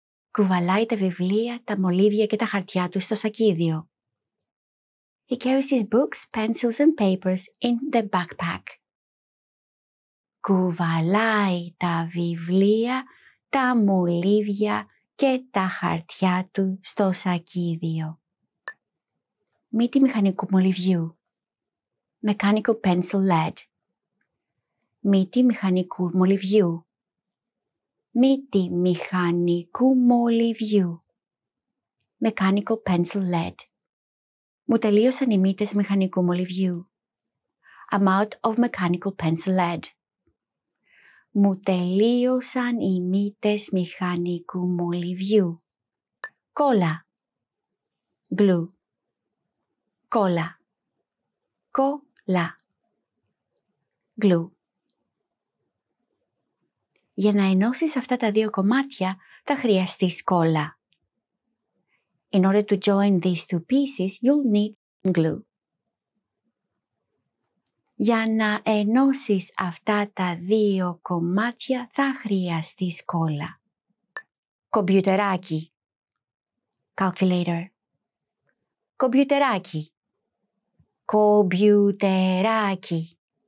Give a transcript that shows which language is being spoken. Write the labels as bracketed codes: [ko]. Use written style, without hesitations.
[el] Κουβαλάει τα βιβλία, τα μολύβια και τα χαρτιά του στο σακίδιο. [en] He carries his books, pencils and papers in the backpack. [el] Κουβαλάει τα βιβλία, τα μολύβια και τα χαρτιά του στο σακίδιο. Μύτη μηχανικού μολυβιού. [en] Mechanical pencil lead. [el] Μύτη μηχανικού μολυβιού. Μύτη μηχανικού μολυβιού. [en] Mechanical pencil lead. [el] Μου τελείωσαν οι μύτες μηχανικού μολυβιού. [en] I'm out of mechanical pencil lead. [el] Μου τελείωσαν οι μύτες μηχανικού μολυβιού. Κόλλα. [en] Glue. [el] Κόλλα. Κόλλα. [en] Glue. [el] Για να ενώσεις αυτά τα δύο κομμάτια, θα χρειαστείς κόλλα. [en] In order to join these two pieces, you'll need glue. [el] Για να ενώσεις αυτά τα δύο κομμάτια, θα χρειαστείς κόλλα. Κομπιουτεράκι. [en] Calculator. [el] Κομπιουτεράκι. Κομπιουτεράκι.